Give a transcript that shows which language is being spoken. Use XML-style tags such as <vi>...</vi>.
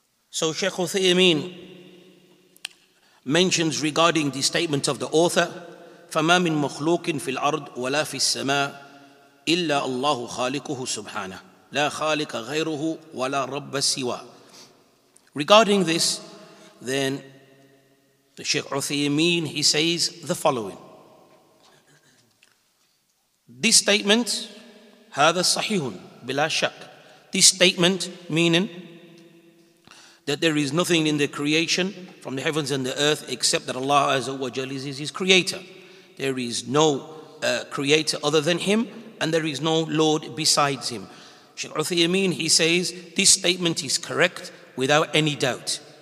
<en>So Sheikh Uthaymeen mentions regarding the statement of the author,</en> <ar>فَمَا مِن مَخْلُوقٍ فِي الْأَرْضِ وَلَا فِي السَّمَاءِ إلا الله خالقه سبحانه لا خالق غيره ولا رب سوى.</ar> <en>Regarding this, then the Sheikh Uthaymeen, he says the following. This statement,</en> <ar>هذا صحيح بلا شك.</ar> <en>This statement meaning that there is nothing in the creation from the heavens and the earth except that Allah Azza wa Jalla is His creator. There is no creator other than Him, and there is no Lord besides Him. Sheikh Uthaymeen, he says, this statement is correct without any doubt.</en>